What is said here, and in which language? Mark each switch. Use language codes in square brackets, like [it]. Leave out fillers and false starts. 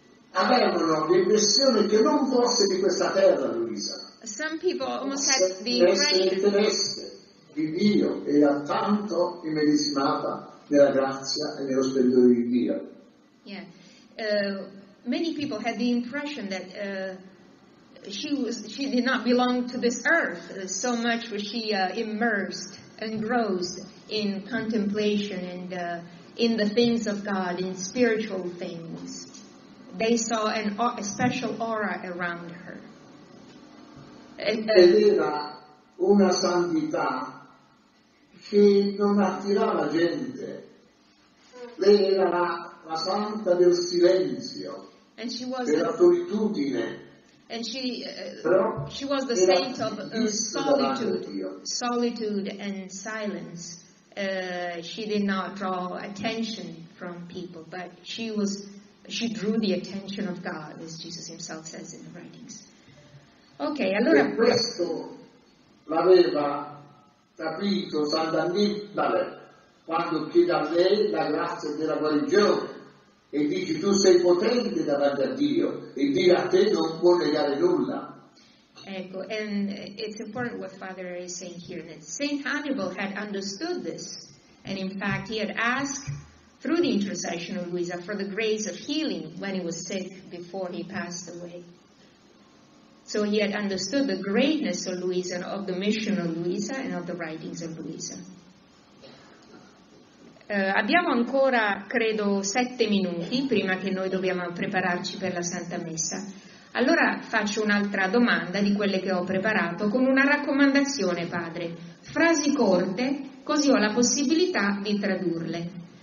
[it] avevano l'impressione che non fosse di questa terra Luisa. [en] Some people almost had the impression [it] di Dio era tanto immedesimata nella grazia e nello splendore di Dio. [en] Yeah. many people had the impression that she did not belong to this earth. So much was she immersed, engrossed in contemplation and in the things of God, in spiritual things. They saw a special aura around her. [it] Vedeva una santità che non attirava gente. Lei era la santa del silenzio. [en] And she was [it] della solitudine. [en] And she was the saint of solitude and silence. She did not draw attention from people, but she drew the attention of God, as Jesus himself says in the writings. [it] Okay, allora. E questo l'aveva capito Sant'Annibale quando chiede a lei la grazia della guarigione. E dici tu sei potente davanti a Dio e Dio a te non può negare nulla. [en] Ecco, and it's important what Father is saying here, that Saint Hannibal had understood this, and in fact he had asked through the intercession of Luisa for the grace of healing when he was sick before he passed away. So he had understood the greatness of Luisa, and of the mission of Luisa and of the writings of Luisa. [it] Abbiamo ancora, credo, 7 minuti prima che noi dobbiamo prepararci per la Santa Messa. Allora faccio un'altra domanda di quelle che ho preparato con una raccomandazione, Padre. Frasi corte, così ho la possibilità di tradurle.